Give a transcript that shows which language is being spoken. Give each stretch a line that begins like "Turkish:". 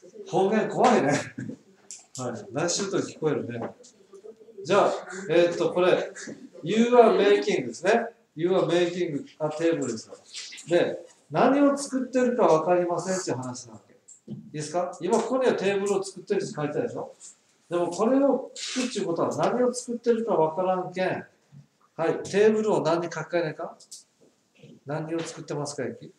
Japanese: 方言怖いね。はい。ナッシュと聞こえるね。じゃあ、これ、
English: You are making
Japanese: ですね。
English: You are making a table
Japanese: ですよ。で、何を作ってるか分かりませんっていう話なわけ。いいですか？今ここにはテーブルを作ってるって書いてあるでしょ？でもこれを聞くっていうことは何を作ってるか分からんけん。はい、テーブルを何に書き換えないか？何を作ってますか、ゆき？